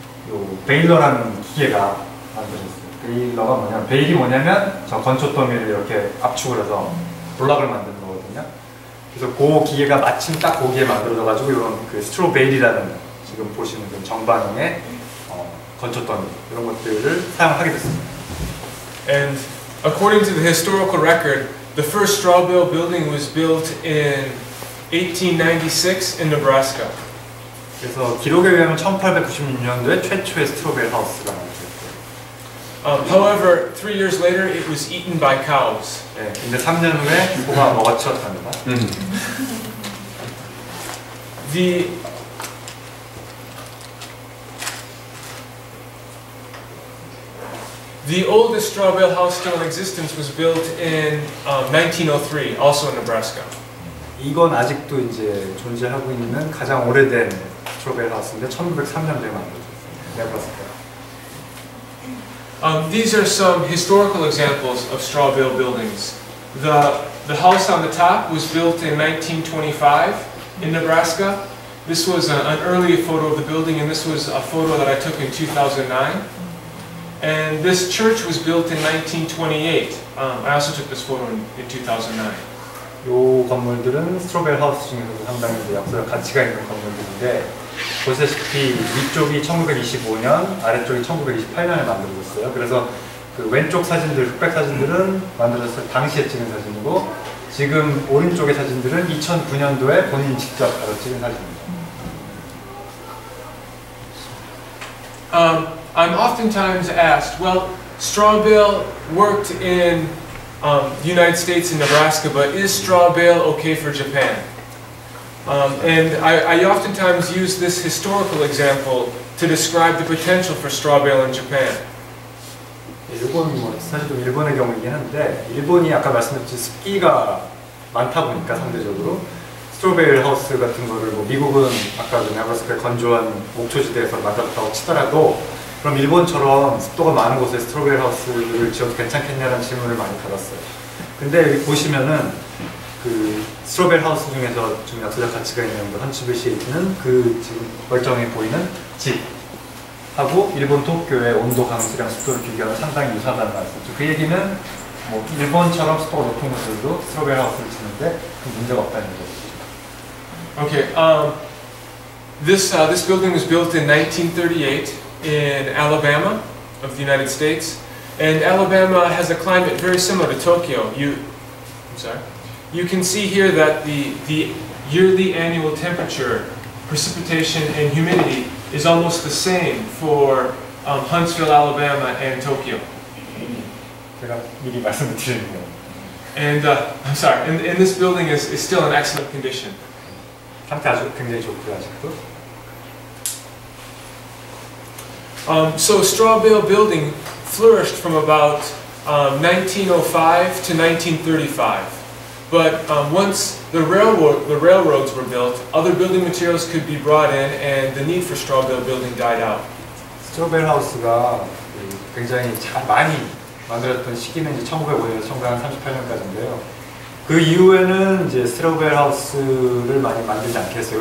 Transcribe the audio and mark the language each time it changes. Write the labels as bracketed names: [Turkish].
[Korean] 요 베일러라는 기계가 만들어졌어요. 베일러가 뭐냐면, 베일이 뭐냐면 저 건초더미를 이렇게 압축을 해서 블럭을 만드는 거거든요. 그래서 그 기계가 마침 딱 거기에 만들어져가지고 이런 그 스트로베일이라는 지금 보시는 그 정반응의 건초더미 이런 것들을 사용하게 됐습니다. [English] And according to the historical record, the first straw bale building was built in 1896 in Nebraska. [Korean] 그래서 기록에 의하면 1896년도에 최초의 스트로베일 하우스가 [English] However, 3 years later, it was eaten by cows. [Korean] 네, 근데 3년 후에 소가 먹었었답니다. [English] The oldest straw bale house still in existence was built in 1903, also in Nebraska. [Korean] 이건 아직도 이제 존재하고 있는 가장 오래된 straw bale house인데 1903년도에 만들어졌어요. 네브라스카. [English] These are some historical examples of straw bale buildings. The house on the top was built in 1925 in Nebraska. This was an early photo of the building, and this was a photo that I took in 2009. And this church was built in 1928. I also took this photo in 2009. [Korean] 요 건물들은 스트로 베일 하우스 중에서도 상당히 역사적 가치가 있는 건물들인데 보시다시피 위쪽이 1925년, 아래쪽이 1928년에 만들어졌어요. 그래서 그 왼쪽 사진들, 흑백 사진들은 만들어졌을 당시에 찍은 사진이고 지금 오른쪽의 사진들은 2009년도에 본인 직접 바로 찍은 사진입니다. [English] I'm oftentimes asked, well, straw bale worked in the United States and Nebraska, but is straw bale okay for Japan? And I oftentimes use this historical example to describe the potential for straw bale in Japan. [Korean] 일본 뭐 사실 좀 일본의 경우이긴 한데 일본이 아까 말씀드렸듯이 습기가 많다 보니까 상대적으로 스트로 베일 하우스 같은 거를 뭐 미국은 아까도 네브라스카 건조한 목초지대에서 만들었다고 치더라도 그럼 일본처럼 습도가 많은 곳에 스트로베일 하우스를 지어도 괜찮겠냐라는 질문을 많이 받았어요. 근데 여기 보시면은 그 스트로베일 하우스 중에서 좀 역사적 가치가 있는 헌츠뷰시에 있는 그 지금 멀쩡해 보이는 집하고 일본 도쿄의 온도 강수량 습도를 비교하면 상당히 유사하다는 말씀이죠. 그 얘기는 뭐 일본처럼 습도가 높은 곳들도 스트로베일 하우스를 짓는데 그 문제가 없다는 거죠. [English] Okay, this building was built in 1938. In Alabama, of the United States, and Alabama has a climate very similar to Tokyo. You can see here that the yearly annual temperature, precipitation, and humidity is almost the same for Huntsville, Alabama, and Tokyo. [Korean] 제가 미리 말씀드리는 [English] And I'm sorry. And this building is still in excellent condition. [Korean] 상태 아주 굉장히 좋고요 아직도. [English] So straw bale building flourished from about 1905 to 1935. But once the railroads were built, other building materials could be brought in and the need for straw bale building died out. [Korean] 스트로 베일 하우스가 굉장히 잘 많이 만들었던 시기는 이제 1905년에서 1938년까지인데요. 그 이후에는 이제 스트로 베일 하우스를 많이 만들지 않게 했어요.